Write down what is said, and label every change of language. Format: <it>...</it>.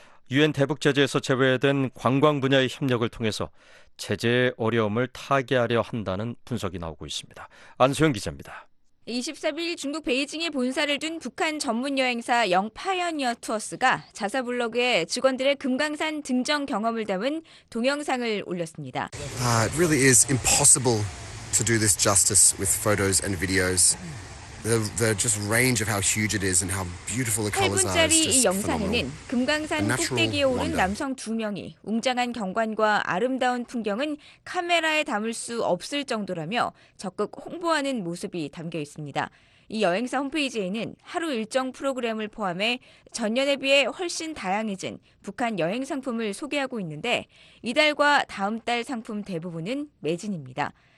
<ko>유엔 대북 제재에서 제외된 관광 분야의 협력을 통해서 제재의 어려움을 타개하려 한다는 분석이 나오고 있습니다. 안소영 기자입니다. 23일 중국 베이징에 본사를 둔 북한 전문 여행사 영파이어니어 투어스가 자사 블로그에 직원들의 금강산 등정 경험을 담은 동영상을 올렸습니다.</ko> <en>It really is impossible to do this justice with photos and videos. The just range of how huge it is and how beautiful the colors are.</en> <ko>8분짜리 이 영상에는 금강산 꼭대기에 오른 남성 두 명이 웅장한 경관과 아름다운 풍경은 카메라에 담을 수 없을 정도라며 적극 홍보하는 모습이 담겨 있습니다. 이 여행사 홈페이지에는 하루 일정 프로그램을 포함해 전년에 비해 훨씬 다양해진 북한 여행 상품을 소개하고 있는데 이달과 다음 달 상품 대부분은 매진입니다.</ko>